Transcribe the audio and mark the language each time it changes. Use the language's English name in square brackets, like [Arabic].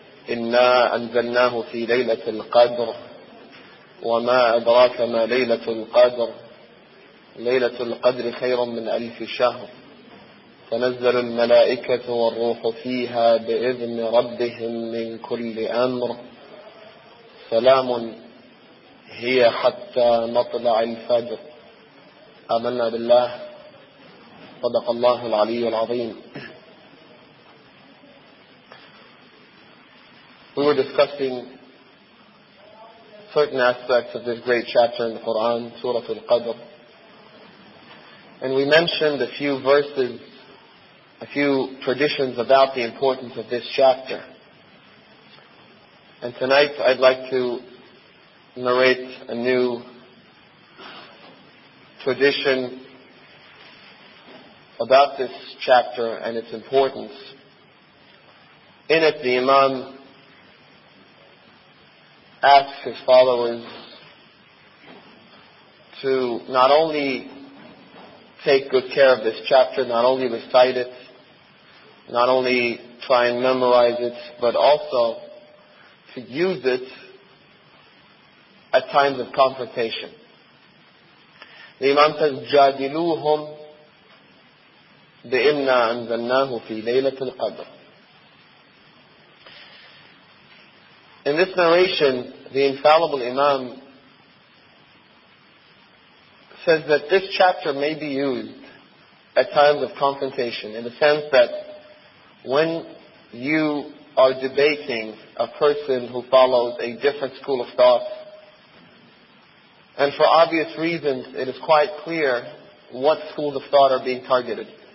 [Arabic] إنا أنزلناه في ليلة القدر وما أدراك ما ليلة القدر، ليلة القدر خير من ألف شهر، تنزل الملائكة والروح فيها بإذن ربهم من كل أمر، سلام هي حتى مطلع الفجر. آمنا بالله، صدق الله العلي العظيم. [English] We were discussing certain aspects of this great chapter in the Quran, Surah Al-Qadr. And we mentioned a few verses, a few traditions about the importance of this chapter. And tonight I'd like to narrate a new tradition about this chapter and its importance. In it, the Imam asks his followers to not only take good care of this chapter, not only recite it, not only try and memorize it, but also to use it at times of confrontation. The Imam says, [Arabic] جَادِلُوهُمْ بِإِنَّا أَنزَلْنَاهُ فِي لَيْلَةِ الْقَدْرِ. [English] In this narration, the infallible Imam says that this chapter may be used at times of confrontation, in the sense that when you are debating a person who follows a different school of thought, and for obvious reasons it is quite clear what schools of thought are being targeted.